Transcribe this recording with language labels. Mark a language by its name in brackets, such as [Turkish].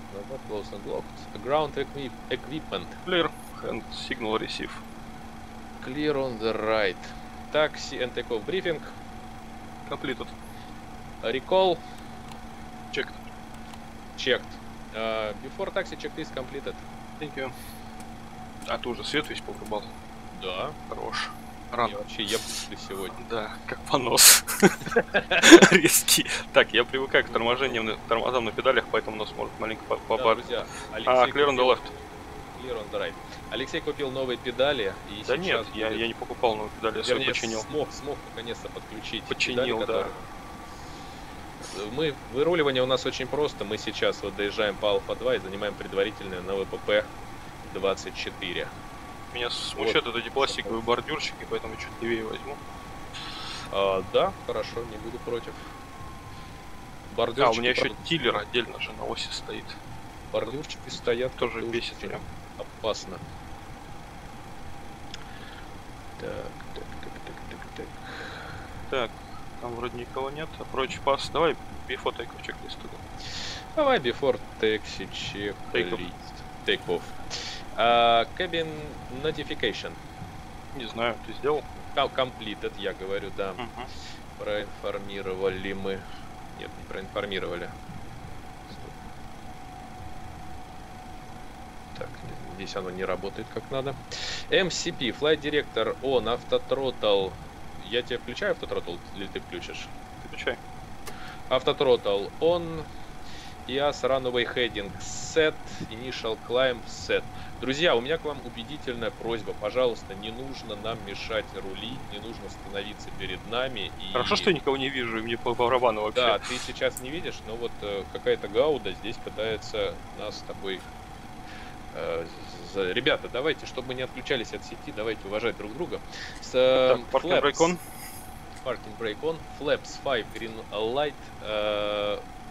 [English] Not closed and locked. Ground equipment. Clear and signal receive. Clear on the right. Taxi and takeoff briefing. Completed. Recall. Checked. Checked. Before taxi checklist completed. Thank you. [Russian] А ты уже свет весь повырубал? Да. Хорош. Рано. Я вообще ебнутый сегодня. Да, как понос. Резкий. Так, я привыкаю к торможению, тормозам на педалях, поэтому нас может маленько побарить. Да, [English] clear on the left. Clear on the right. [Russian] Алексей купил новые педали, и сейчас... Да нет, я не покупал новые педали, я все починил. Смог наконец-то подключить. Починил, да. Мы, выруливание у нас очень просто. Мы сейчас вот доезжаем по Alpha 2 и занимаем предварительное на ВПП-24. Меня смущают вот эти пластиковые бордюрчики, поэтому чуть левее возьму. Да, хорошо, не буду против. Бордюрчики. У меня еще тиллер отдельно же на оси стоит. Бордюрчики стоят, тоже бесит меня. Опасно. Так. Так, там вроде никого нет. [English] Approach pass. [Russian] Давай [English] before take-off checklist [Russian] туда. Давай [English] before taxi checklist. Take-off. Cabin notification. [Russian] Не знаю, ты сделал? [English] Completed, [Russian] я говорю, да. Угу. Проинформировали мы. Нет, не проинформировали. Стоп. Так, здесь оно не работает как надо. [English] MCP, Flight Director on, автотроттл. [Russian] Я тебе включаю автотроттл, или ты включишь? Включай. Автотроттл on. [English] IAS runway heading set, initial climb set. [Russian] Друзья, у меня к вам убедительная просьба. Пожалуйста, не нужно нам мешать рули, не нужно становиться перед нами. И... Хорошо, что я никого не вижу, и мне по барабану вообще. Да, ты сейчас не видишь, но вот какая-то гауда здесь пытается нас такой... Ребята, давайте, чтобы мы не отключались от сети, давайте уважать друг друга. [English] Так, parking brake on. Parking brake on. Flaps 5, green light.